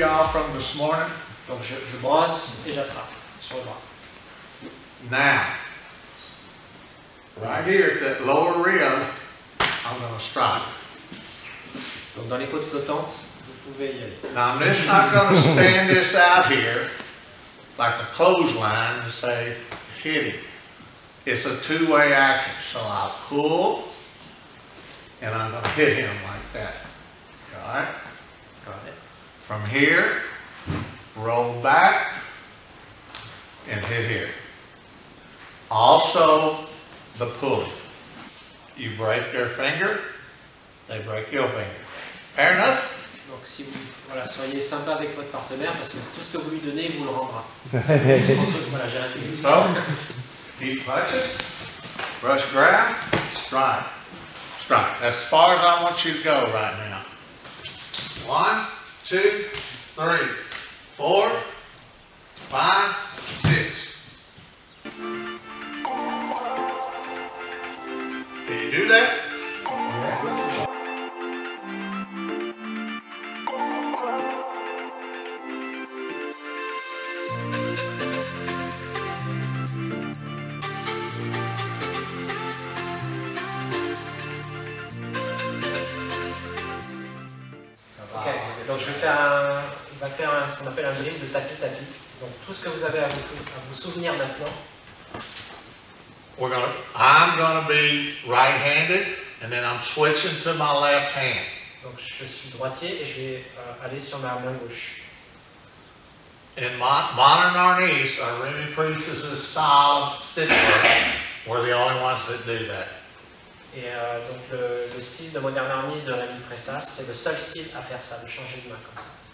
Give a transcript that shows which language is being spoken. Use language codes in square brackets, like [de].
[en] From this morning. [fr] Donc je brosse et j'attrape sur le bras. [en] Now, right here at that lower rim, I'm going to strike. [fr] Donc dans les côtes flottantes, vous pouvez y aller. [en] Now I'm just not going to stand this out here like a clothesline and say hit it. It's a two-way action, so I'll pull and I'm going to hit him like that. Alright? Got it. From here, roll back, and hit here. Also, the pulley. You break their finger, they break your finger. Fair enough? [fr] Donc si vous, voilà, soyez sympa avec votre partenaire, parce que tout ce que vous lui donnez, il vous le rendra. Voilà, j'ai rien fait. [en] So, he punches, brush grab, strike. Strike, as far as I want you to go right now. One. 2, 3, 4, 5, 6. Can you do that? Yes. [fr] Il va faire ce qu'on appelle un mime de tapis-tapis. Donc tout ce que vous avez à vous souvenir maintenant. [en] I'm going to be right-handed and then I'm switching to my left hand. [fr] Donc je suis droitier et je vais aller sur ma main gauche. [en] In modern Arnis, our Rumi priestess' style stitchwork, we're the only ones that do that. [fr] Et donc le style de moderne harnis de Rémi Pressas, c'est le seul style à faire ça, de changer de main comme ça.